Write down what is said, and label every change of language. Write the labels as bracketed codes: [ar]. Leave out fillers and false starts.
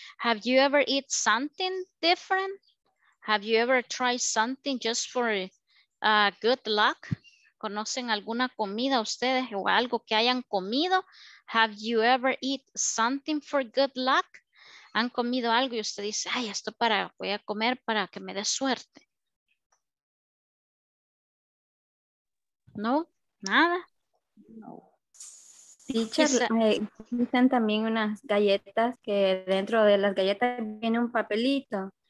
[en] Have you ever eat something different? Have you ever tried something just for good luck? [es] ¿Conocen alguna comida ustedes o algo que hayan comido? [en] Have you ever eat something for good luck? [es] ¿Han comido algo y usted dice, ay, esto para, voy a comer para que me dé suerte? ¿No? ¿Nada? No. Teacher, dicen también unas galletas que dentro de las galletas viene un papelito.